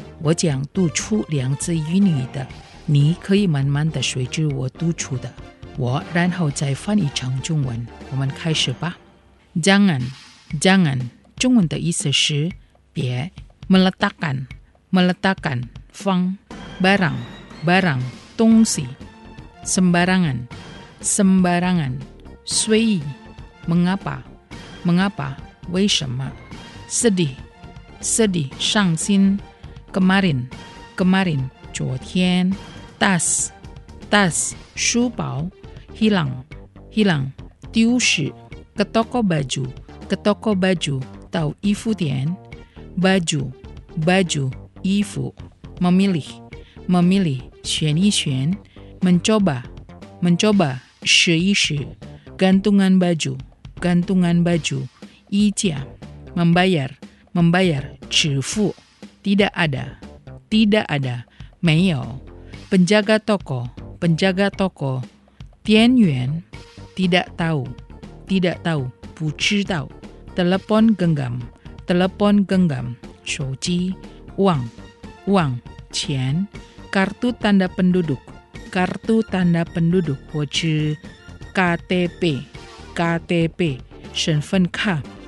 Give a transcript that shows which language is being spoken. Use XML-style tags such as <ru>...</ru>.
<zh>我将读出两字印尼语的，你可以慢慢的随着我读出的，我然后再翻译成中文。我们开始吧。</zh> <id>Jangan， jangan，</id> <zh>中文的意思是别。</zh> <id>Meletakkan， meletakkan，</id> <zh>放。</zh> <id>Barang， barang，</id> <zh>东西。</zh> <id>Sembarangan， sembarangan，</id> <zh>随意。</zh> <id>Mengapa？ Mengapa?</id> <zh>为什么？</zh> <id>Sedih， sedih，</id> <zh>伤心。</zh> <id>Kemarin， kemarin，</id> <zh>昨天。</zh> <id>Tas， tas，</id> <zh>书包。</zh> <id>Hilang， hilang，</id> <zh>丢失。</zh> <id>Ke toko baju， ke toko baju，</id> <zh>到衣服店。</zh> <id>Baju， baju，</id> <zh>衣服。</zh> <id>Memilih， memilih，</id> <zh>选一选。</zh> <id>Mencoba， mencoba，</id> <zh>试一试。</zh> <id>Gantungan baju，gantungan baju，</id> <zh>衣架。</zh> <id>membayar， membayar，</id> <zh>支付。</zh> <id>tidak ada， tidak ada，</id> <zh>没有。</zh> <id>penjaga toko， penjaga toko，</id> <zh>店员。</zh> <id>tidak tahu， tidak tahu，</id> <zh>不知道。</zh> <id>telepon genggam， telepon genggam，</id> <zh>手机。</zh> <id>uang， uang，</id> <zh>钱。</zh> <id>kartu tanda penduduk， kartu tanda penduduk，</id> <zh>或是</zh> <id>KTP， KTP，</id> <zh>身份卡。</zh>